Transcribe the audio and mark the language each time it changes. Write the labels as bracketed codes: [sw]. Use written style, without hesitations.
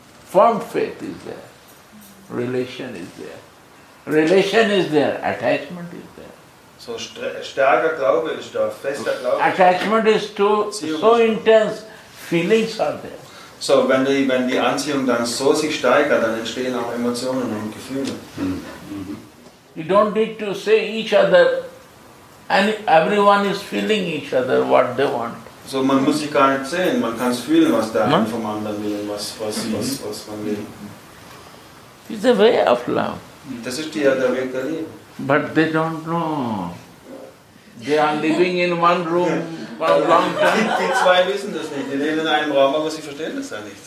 [en] From faith is there. Relation is there. Relation is there. Attachment is there. [de] So stärker Glaube ist da, fester Glaube. [en] Attachment is too so intense. Feelings are there. [de] So wenn die Anziehung dann so sich steigert, dann entstehen auch Emotionen und Gefühle. [en] You don't need to say each other, and everyone is feeling each other what they want. [de] So man muss sich gar nicht sehen, man kann es fühlen, was der eine vom anderen will, was man will. [en] It's a way of love. [de] Das ist die, der Weg der Liebe. [en] But they don't know. They are living in one room for a long time. [de] Die zwei wissen das nicht. Die leben in einem Raum, aber sie verstehen das ja nicht.